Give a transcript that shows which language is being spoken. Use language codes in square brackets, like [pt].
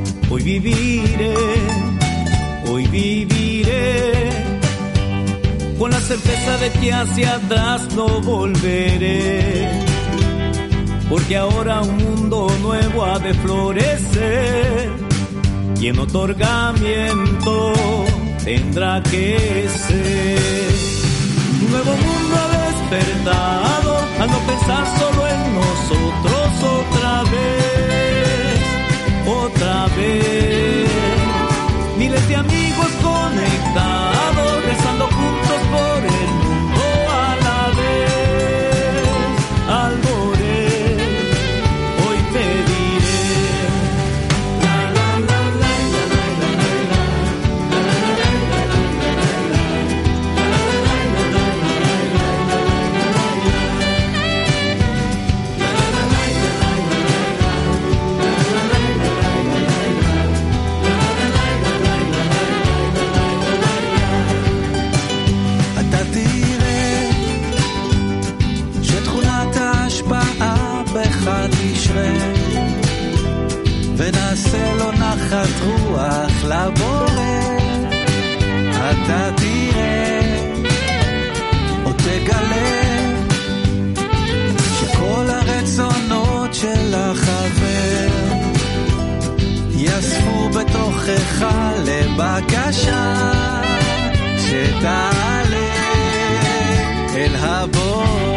[es] Hoy viviré, con la certeza de que hacia atrás no volveré, porque ahora un mundo nuevo ha de florecer, y en otorgamiento tendrá que ser. Un nuevo mundo ha despertado, al no pensar solo en nosotros otra vez, otra vez. La la la la la la la la la la la la la la la la la la la la la la la la la la la la la la la la la la la la la la la la la la la la la la la la la la la la la la la la la la la la la la la la la la la la [he] ונעשה לו נחת רוח לבורא. אתה תראה או תגלה שכל הרצונות של החבר יספו בתוכך לבקשה שתעלה אל הבורא.